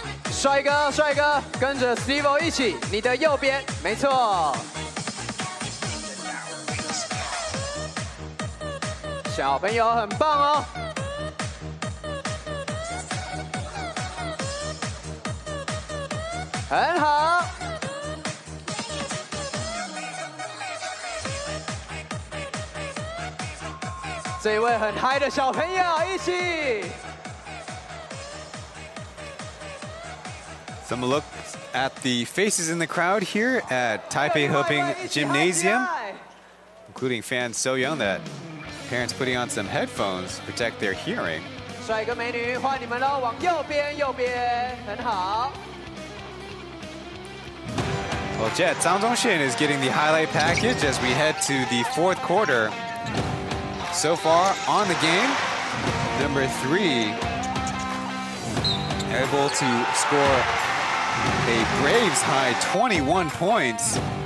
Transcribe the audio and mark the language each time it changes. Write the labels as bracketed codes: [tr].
[zh] 帅哥帅哥，跟着 Steve 一起，你的右边，没错，小朋友很棒哦，很好，这位很嗨的小朋友一起 [en] Some look at the faces in the crowd here at Taipei Hoping Gymnasium, including fan So Young that parents putting on some headphones to protect their hearing. [zh] 帅哥美女换你们喽，往右边右边，很好。 [en] Well, Jet, Zhang Zhongxin is getting the highlight package as we head to the fourth quarter. So far on the game, number three, able to score a Braves high 21 points.